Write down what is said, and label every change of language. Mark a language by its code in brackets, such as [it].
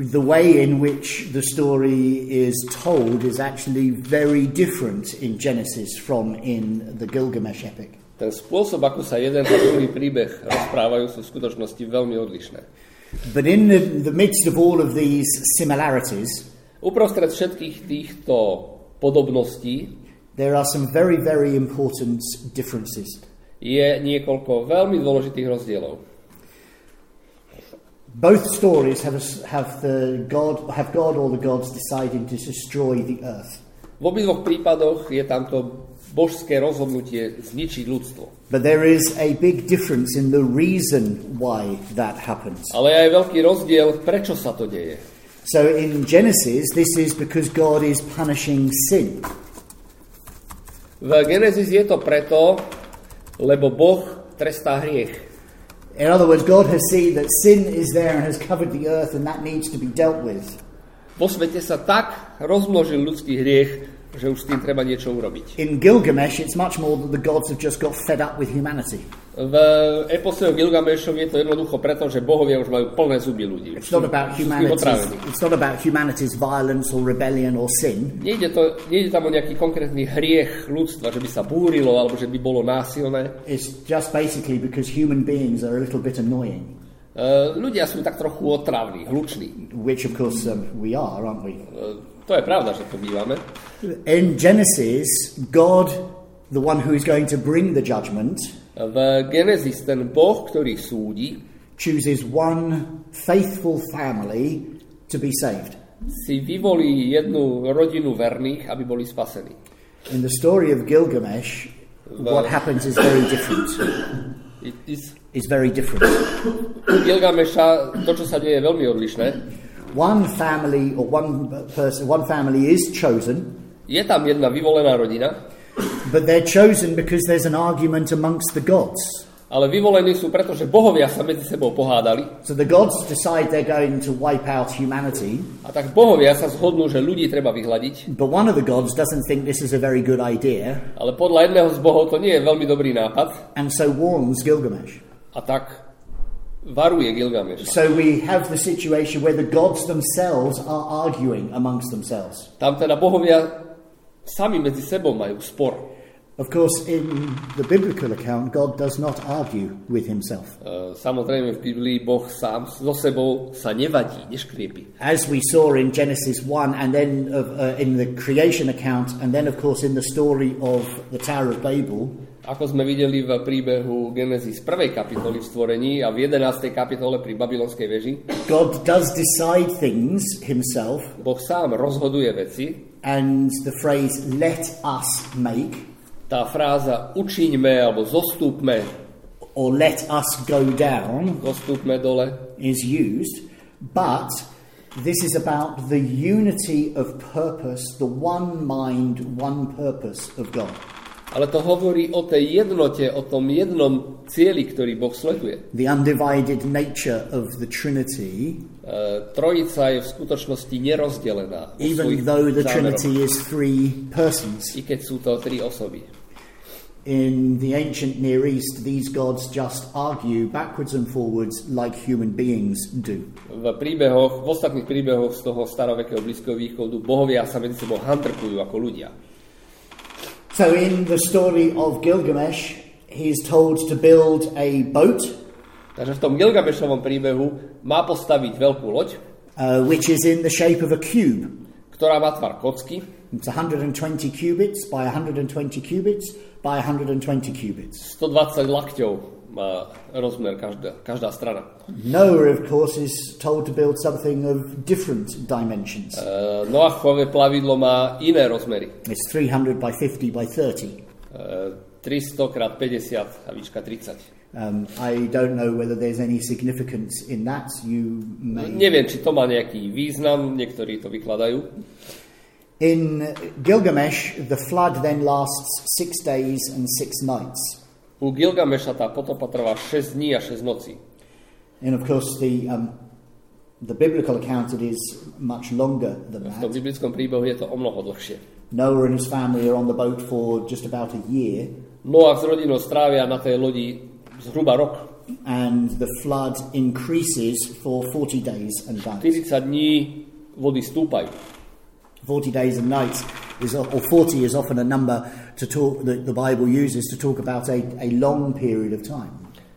[en] The way in which the story is told is actually very different in Genesis from in the Gilgamesh epic. [sk] Ten spôsob, ako sa jeden a druhý príbeh rozprávajú, sú v skutočnosti veľmi odlišné. [en] But in the midst of all of these similarities, [sk] uprostred všetkých týchto podobností, [en] there are some very, very important differences. [sk] Je niekoľko veľmi dôležitých rozdielov. [en] Both stories have God or the gods deciding to destroy the earth. [sk] V obidvoch prípadoch je tamto božské rozhodnutie zničiť ľudstvo. [en] But there is a big difference in the reason why that happens. [sk] Ale je aj veľký rozdiel, prečo sa to deje. [en] So in Genesis, this is because God is punishing sin. [sk] V Genesis je to preto, lebo Boh trestá hriech. [en] In other words, God has seen that sin is there and has covered the earth and that needs to be dealt with. [sk] Vo svete sa tak rozmnožil ľudský hriech, že už s tým treba niečo urobiť. [en] In Gilgamesh, it's much more that the gods have just got fed up with humanity. [sk] V epose o Gilgamešov je to jednoducho preto, že bohovia už majú plné zuby ľudí. [en] It's not about humanity's violence or rebellion or sin. [sk] Nejde tam o nejaký konkrétny hriech ľudstva, že by sa búrilo alebo že by bolo násilné. [en] It's just basically because human beings are a little bit annoying. [sk] Ľudia sú tak trochu otravní, hluční. [en] Which of course we are, aren't we? [sk] To je pravda, že to bývame. [en] In Genesis, God, the one who is going to bring the judgment, [sk] v Genesis ten Boh, ktorý súdi, [en] chooses one faithful family to be saved. [sk] Si vyvolí jednu rodinu verných, aby boli spasení. [en] In the story of Gilgamesh, what happens is very different. It's very different. [sk] U Gilgameša to, čo sa deje, je veľmi odlišné. [en] One family is chosen. [sk] Je tam jedna vyvolená rodina. [en] But they're chosen because there's an argument amongst the gods. [sk] Ale vyvolení sú preto, že bohovia sa medzi sebou pohádali. [en] So the gods decide they're going to wipe out humanity. [sk] A tak bohovia sa zhodnú, že ľudí treba vyhľadiť. [en] But one of the gods doesn't think this is a very good idea. [sk] Ale podľa jedného z bohov to nie je veľmi dobrý nápad. [en] And so warns Gilgamesh. [sk] A tak varuje Gilgamesh. [en] So we have the situation where the gods themselves are arguing amongst themselves. [sk] Tam teda bohovia sami medzi sebou majú spor. [en] Of course, in the biblical account, God does not argue with himself. [sk] Samozrejme, v Biblii Boh sám so sebou sa nevadí, neškriepi. [en] As we saw in Genesis 1, and then in the creation account, and then, of course, in the story of the Tower of Babel, [sk] ako sme videli v príbehu Genesis 1. kapitoly v stvorení a v 11. kapitole pri Babylonskej veži, [en] God does decide things himself. [sk] Boh sám rozhoduje veci. [en] And the phrase let us make, [sk] tá fráza učiňme alebo zostúpme, [en] or let us go down, [sk] zostúpme dole, [en] is used, but this is about the unity of purpose, the one mind, one purpose of God. [sk] Ale to hovorí o tej jednote, o tom jednom cieli, ktorý Boh sleduje. [en] The undivided nature of the Trinity. [sk] Trojica je v skutočnosti nerozdelená. [en] Even though the Trinity is three persons. [sk] I keď sú to tri osoby. [en] In the ancient Near East, these gods just argue backwards and forwards like human beings do. [sk] V ostatných príbehoch z toho starovekého Blízkeho východu bohovia sa medzi sebou handrkujú ako ľudia. [en] So in the story of Gilgamesh, he is told to build a boat. [sk] Takže v tom Gilgamešovom príbehu má postaviť veľkú loď, [en] which is in the shape of a cube, [sk] ktorá má tvar kocky. [en] It's 120 cubits by 120 cubits by 120 cubits. [sk] 120 lakťov má rozmer každá strana. [en] Noah, of course, is told to build something of different dimensions. [sk] Noachové plavidlo má iné rozmery. [en] It's 300 by 50 by 30. [sk] 300 krát 50 a výška 30. [en] I don't know whether there's any significance in that. You may... [sk] Neviem, či to má nejaký význam, niektorí to vykladajú. [en] In Gilgamesh, the flood then lasts 6 days and 6 nights. [sk] U Gilgamesha tá potopa trvá 6 dní a 6 nocí. [en] And of course the biblical account it is much longer than that. [sk] V tom biblickom príbehu je to o mnoho dlhšie. [en] Noah and his family are on the boat for just about a year. [sk] Noah s rodinou strávia na tej lodi zhruba rok. [en] And the flood increases for 40 days and nights. [sk] 40 dní vody stúpajú. [en] 40 days and nights is, or 40 is often a number to talk that the Bible uses to talk about a long period of time.